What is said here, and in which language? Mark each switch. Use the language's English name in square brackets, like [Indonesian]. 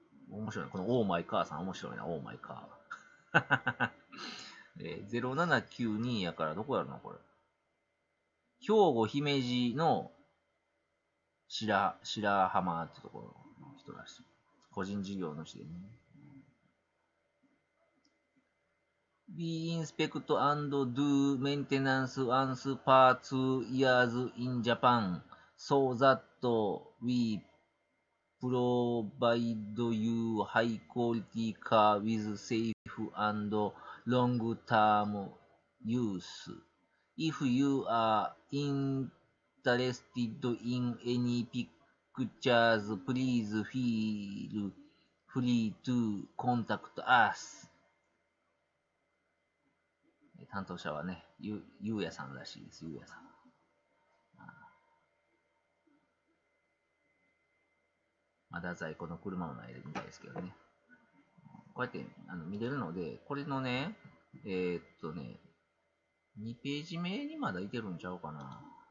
[Japanese] 面白いな。このオーマイカーさん面白いな。オーマイカー。 0792やからどこやるのこれ。兵庫姫路の白浜ってところの人らしい。個人事業主でね。 [English] Be inspect and do maintenance once per 2 years in Japan so that we provide you high quality car with safe and long term use. If you are interested in any pictures, please feel free to contact us. [Japanese] 担当者はね、ゆうやさんらしいです。ゆうやさん。まだ在庫の車もないみたいですけどね。こうやってあの見れるので、これのね、2ページ目にまだいけるんちゃうかな。